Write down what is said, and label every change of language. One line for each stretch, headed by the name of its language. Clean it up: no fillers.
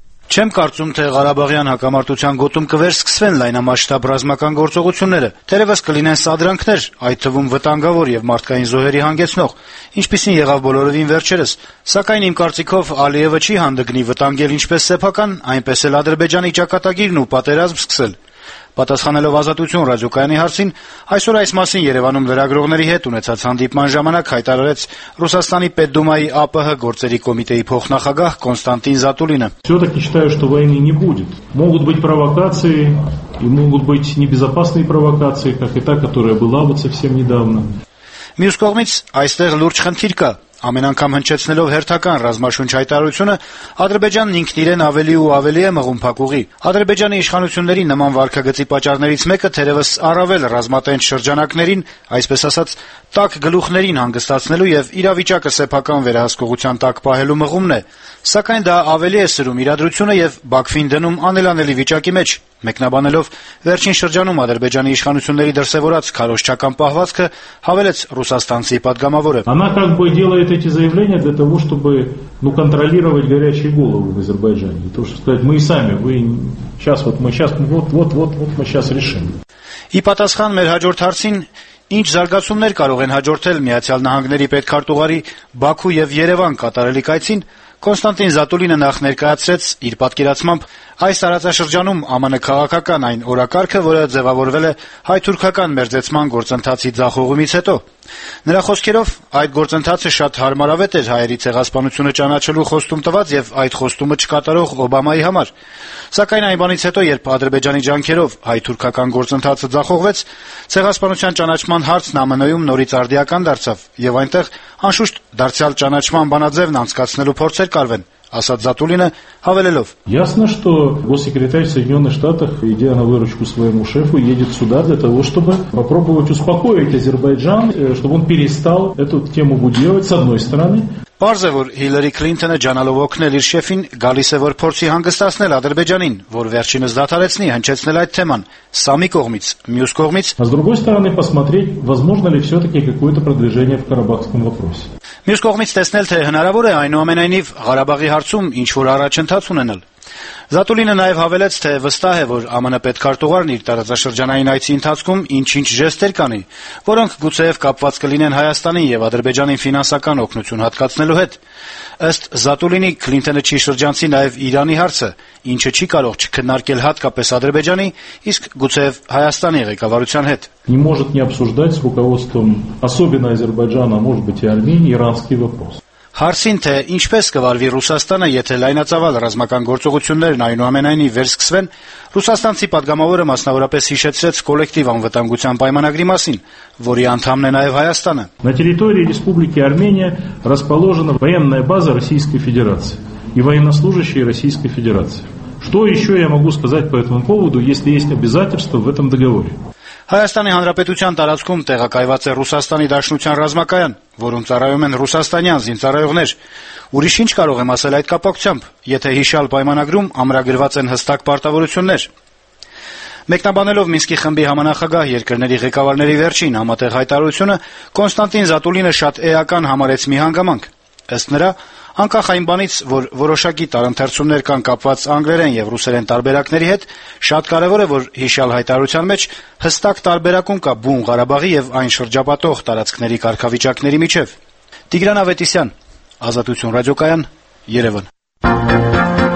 Armenian: Չեմ կարծում, թե Ղարաբաղյան հակամարտության գոտում կվերսկսվեն լայնամասշտաբ ռազմական գործողությունները, թերևս կլինեն սադրանքներ, այդ թվում վտանգավոր եւ մարդկային զոհերի հանգեցնող, ինչպիսին եղավ բոլորովին վերջերս, սակայն իմ կարծիքով Ալիևը չի հանդգնի վտանգել ինչպես սեփական, այնպես էլ Ադրբեջանի ճակատագիրն ու պատերազմ սկսել։ Պատասխանելով Ազատություն ռադիոկայանի հարցին, այսօր այս մասին Երևանում լրագրողների հետ ունեցած հանդիպման ժամանակ հայտարարեց Ռուսաստանի Պետդումայի ԱՊՀ գործերի կոմիտեի փոխնախագահ Կոնստանտին Զատուլինը։
Russian: Всё-таки считаю, что войны не будет. Могут быть провокации и могут быть небезопасные провокации, как и та, которая была вот совсем недавно.
Armenian: Մյուս կողմից, այստեղ լուրջ խնդիր կա։ Ամեն անգամ հնչեցնելով հերթական ռազմաշունչ հայտարարությունը, Ադրբեջանն ինքն իրեն ավելի ու ավելի է մղում փակուղի։ Ադրբեջանի իշխանությունների նման վարքագծի պատճառներից մեկը թերևս առավել ռազմատենչ շրջանակներին, այսպես ասած, տակ գլուխներին հանգստացնելու եւ իրավիճակը սեփական վերահսկողության տակ պահելու մղումն է, սակայն դա ավելի է սրում իրադրությունը եւ Բաքվին դնում անելանելի վիճակի մեջ, մեկնաբանելով վերջին շրջանում Ադրբեջանի իշխանությունների դրսևորած քարոշչական պահվածքը, հավելեց ռուսաստանցի պատգամավորը։
Russian: Делает эти заявления для того, чтобы ну, контролировать горячие головы в Азербайджане. То, что сказать, мы и сами, вы сейчас, вот мы сейчас, вот мы сейчас решим.
Armenian: И պատասխան մեր հաջորդ հարցին, ինչ զարգացումներ կարող են հաջորդել Միացյալ Նահանգների պետքարտուղարի Բաքու և Երևան կատարելի կայցին, Կոնստանտին Զատուլինը նախ ներկայացրեց իր պատկերացմամբ այս տարածաշրջանում ԱՄՆ քաղաքական այն օրակարգը, որը ձևավորվել է հայ-թուրքական մերձեցման գործընթացի ձախողումից հետո։ Նրա խոսքերով, այդ գործընթացը շատ հարմարավետ էր հայերի ցեղասպանությունը ճանաչելու խոստում տված եւ այդ խոստումը չկատարող Օբամայի համար։ Սակայն այն բանից հետո, երբ Ադրբեջանի ջանքերով հայ-թուրքական գործընթացը ձախողվեց, ցեղասպանության ճանաչման հարցն ԱՄՆ-ում նորից արդիական դարձավ եւ այնտեղ անշուշտ դարձյալ ճանաչման բանաձևն անցկացնելու փորձեր կարվեն, ասաց Զատուլինը հավելելով.
Russian: Ясно, что госсекретарь Соединённых Штатов, идя на выручку своему шефу, едет сюда для того, чтобы попробовать успокоить Азербайджан, чтобы он перестал эту тему будировать с одной стороны.
Armenian: Պարզ է, որ Հիլերի Քլինթոնը ջանալով օգնել իր շեֆին, գալիս է, որ փորձի հանգստացնել Ադրբեջանին, որ վերջինս դադարեցնի հնչեցնել այդ թեման, սամի կողմից, մյուս կողմից.
Russian: С другой стороны, посмотреть, возможно ли всё-таки какое-то продвижение в Карабахском вопросе.
Armenian: Մյուս կողմից տեսնել, թե հնարավոր է այնուամենայնիվ Ղարաբաղի հարցում ինչ-որ առաջընթաց ունենալ։ Զատուլինը նաև հավելեց, թե վստահ է, որ ԱՄՆ պետքարտուղարն իր տարածաշրջանային այցի ընթացքում ինչ-ինչ ժեստեր կանի, որոնք գուցեև կապված կլինեն Հայաստանի եւ Ադրբեջանի ֆինանսական օգնություն հատկացնելու հետ։ Ըստ Զատուլինի, Քլինթոնը չի շրջանցի նաև Իրանի հարցը, ինչը չի կարող չքննարկել հատկապես Ադրբեջանի, իսկ գուցեև Հայաստանի ղեկավարության հետ։
Russian: Не может не обсуждать с руководством особенно Азербайджана, может быть, и Армении иранский вопрос.
Armenian: Հարցին, թե ինչպես կվարվի Ռուսաստանը, եթե լայնածավալ ռազմական գործողություններն այնուամենայնիվ վերսկսվեն, ռուսաստանցի պատգամավորը մասնավորապես հիշեցրեց կոլեկտիվ անվտանգության պայմանագրի մասին, որի անդամն է նաև Հայաստանը։
Russian: На территории Республики Армения расположена военная база Российской Федерации и военнослужащие Российской Федерации. Что ещё я могу сказать по этому поводу, если есть обязательства в этом договоре?
Armenian: Հայաստանի Հանրապետության տարածքում տեղակայված է Ռուսաստանի Դաշնության ռազմակայան, որում ծառայում են ռուսաստանյան զինծառայողներ։ Ուրիշ ինչ կարող եմ ասել այդ կապակցությամբ, եթե հիշալ պայմանագրում ամրագրված են հստակ պարտավորություններ։ Մեկնաբանելով Մինսկի խմբի համանախագահ երկրների ղեկավարների վերջին համատեղ հայտարարությունը, Կոնստանտին Զատուլինը շատ էական համարեց մի հանգամանք։ Ըստ նրա, անկախ այն բանից, որ որոշակի տարընթերցումներ կան կապված անգլերեն և ռուսերեն տարբերակների հետ, շատ կարևոր է, որ հիշյալ հայտարարության մեջ հստակ տարբերակում կա բուն Ղարաբաղի և այն շրջապատող տարածքների կարգավիճակների միջև։ Տիգրան Ավետիսյան, Ազատություն ռադիոկայան, Երևան։